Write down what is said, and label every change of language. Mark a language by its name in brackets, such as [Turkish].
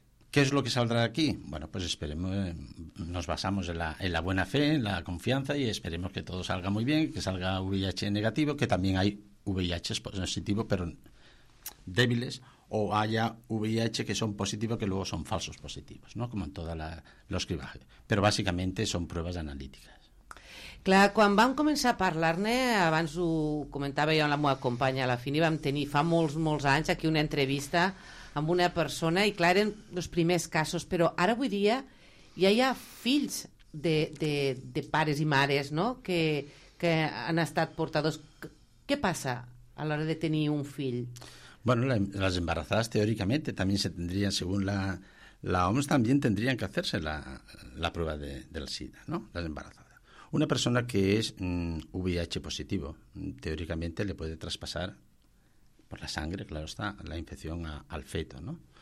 [Spanish] ¿Qué es lo que saldrá de aquí? Bueno, pues esperemos, nos basamos en la buena fe, en la confianza, y esperemos que todo salga muy bien, que salga VIH negativo, que también hay VIH positivo, pero débiles, o haya VIH que son positivos, que luego son falsos positivos, ¿no?, como en toda los cribajes. Pero básicamente son pruebas analíticas. [Catalan] Clar, quan vam començar a parlar-ne, abans ho comentava jo amb la meva companya, a la Fini, vam tenir fa molts, molts anys aquí una entrevista amb una persona, i clar, eren els primers casos, però ara avui dia ja hi ha fills de pares i mares, no?, que han estat portadors. Què passa a l'hora de tenir un fill? [Spanish] Bueno, las embarazadas teóricamente también se tendrían, según la OMS, también tendrían que hacerse la prueba del SIDA, ¿no? Las embarazadas. Una persona que es VIH positivo, teóricamente le puede traspasar por la sangre, claro está, la infección al feto, ¿no?